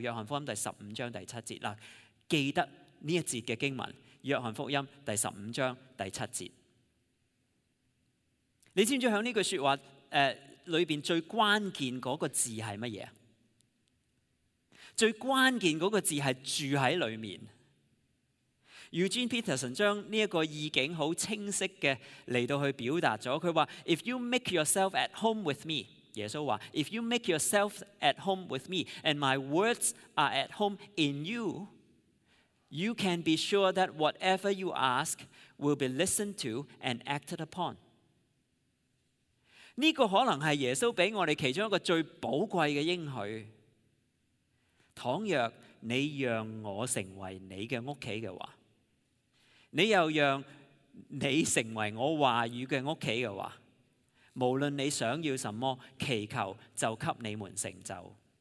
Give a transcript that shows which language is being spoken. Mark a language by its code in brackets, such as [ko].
[zh] 约翰福音第十五章第七节，记得这一节的经文，约翰福音第十五章第七节。你知不知道在这句话里面最关键的那个字是什么？最关键的那个字是住在里面。 [en] Eugene Peterson [zh] 将这个意境很清晰的来到去表达了，他说 [en] If you make yourself at home with me， [zh] 耶稣说 [en] If you make yourself at home with me and my words are at home in you, you can be sure that whatever you ask will be listened to and acted upon。 [zh] 这个可能是耶稣给我们其中一个最宝贵的应许，倘若你让我成为你的屋企的话，你又让你成为我话语的屋企的话，无论你想要什么，祈求就给你们成就。